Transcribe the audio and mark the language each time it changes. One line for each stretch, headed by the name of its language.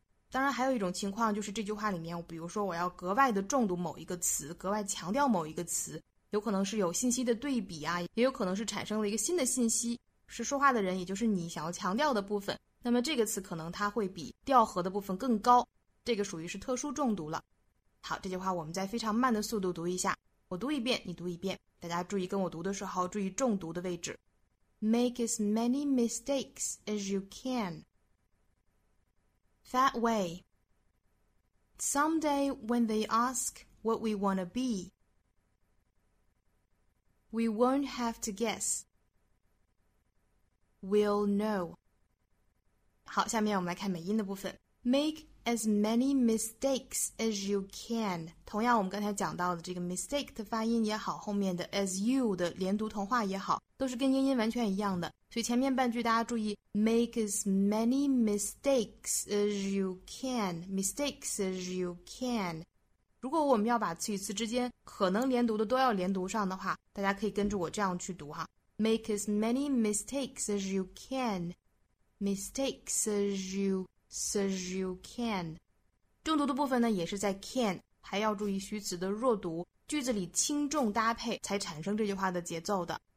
Chinese: 当然还有一种情况，就是这句话里面比如说我要格外的重读某一个词，格外强调某一个词，有可能是有信息的对比啊，也有可能是产生了一个新的信息，是说话的人也就是你想要强调的部分，那么这个词可能它会比调和的部分更高，这个属于是特殊重读了。好，这句话我们再非常慢的速度读一下，我读一遍你读一遍，大家注意跟我读的时候注意重读的位置。
English: Make as many mistakes as you canThat way, someday when they ask what we want to be, we won't have to guess. We'll know.
Chinese: 好，下面我们来看美音的部分。Make
English: as many mistakes as you can.
Chinese: 同样我们刚才讲到的这个 mistake 的发音也好，后面的 as you 的连读同化也好，都是跟英音完全一样的。所以前面半句大家注意，
English: make as many mistakes as you can, mistakes as you can。
Chinese: 如果我们要把词与词之间可能连读的都要连读上的话，大家可以跟着我这样去读哈。
English: Make as many mistakes as you can. Mistakes as you can.
Chinese: 重读的部分呢也是在 can, 还要注意虚词的弱读，句子里轻重搭配才产生这句话的节奏的。